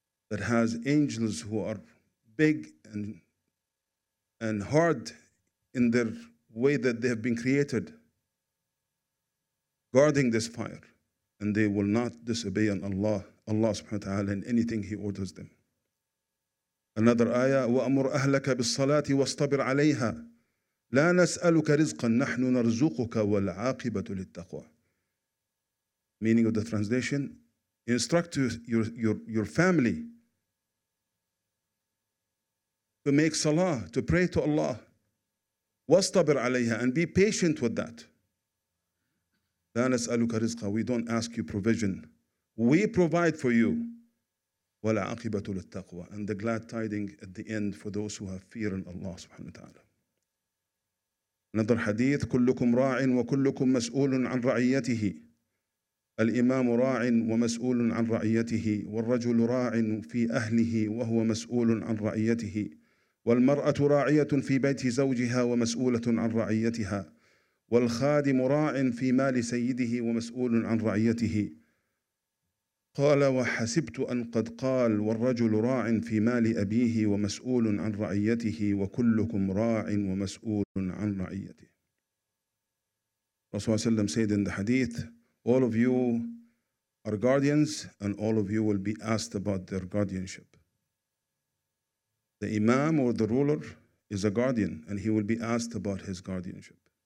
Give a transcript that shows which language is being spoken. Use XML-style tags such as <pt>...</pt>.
<en>that has angels who are big and hard in their way that they have been created, guarding this fire, and they will not disobey on Allah subhanahu wa ta'ala in anything He orders them. Another ayah,</en> <ar>وَأَمُرْ أَهْلَكَ بِالصَّلَاةِ وَاسْطَبِرْ عَلَيْهَا لا نسألك رزقا نحن نرزقك والعاقبة للتقوى.</ar> <en>Meaning of the translation, instruct your family to make salah, to pray to Allah.</en> <ar>واصطبر عليها,</ar> <en>and be patient with that.</en> <ar>لا نسألك رزقا,</ar> <en>we don't ask you provision. We provide for you.</en> <ar>والعاقبة للتقوى,</ar> <en>and the glad tiding at the end for those who have fear in Allah subhanahu wa ta'ala. Another hadith,</en> <ar>كلكم راع وكلكم مسؤول عن رعيته. الإمام راع ومسؤول عن رعيته. والرجل راع في أهله وهو مسؤول عن رعيته. والمرأة راعية في بيت زوجها ومسؤولة عن رعيتها. والخادم راع في مال سيده ومسؤول عن رعيته. قال وحسبت أن قد قال والرجل راع في مال أبيه ومسؤول عن رعيته وكلكم راع ومسؤول عن رعيته.</ar> <en>رسول الله said in the hadith, all of you are guardians and all of you will be asked about their guardianship. The imam or the ruler is a guardian and he will be asked about his guardianship.</en>